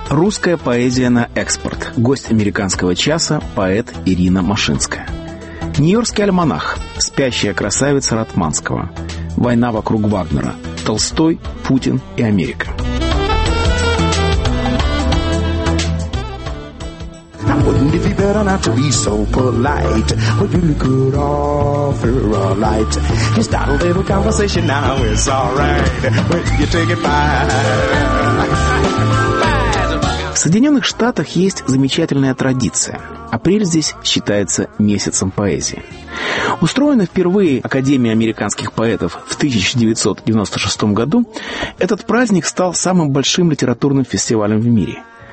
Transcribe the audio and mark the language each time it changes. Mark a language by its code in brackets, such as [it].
[ru] Русская поэзия на экспорт. Гость «Американского часа» – поэт Ирина Машинская. Нью-Йоркский альманах. Спящая красавица Ратманского. Война вокруг Вагнера. Толстой, Путин и Америка. [en] Wouldn't it be better not to be so polite? But you could offer a light. Just start a little conversation now, it's alright. But you take it back. [ru] В Соединенных Штатах есть замечательная традиция. Апрель здесь считается месяцем поэзии. Устроена впервые Академия американских поэтов в 1996 году, этот праздник стал самым большим литературным фестивалем в мире.